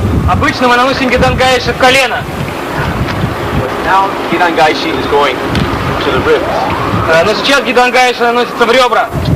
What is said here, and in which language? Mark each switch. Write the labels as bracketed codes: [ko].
[ru] Обычно мы наносим гидангайши в колено. [en] Now гидангайши is going to the ribs. [ru] Но сейчас гидангайши наносится в ребра.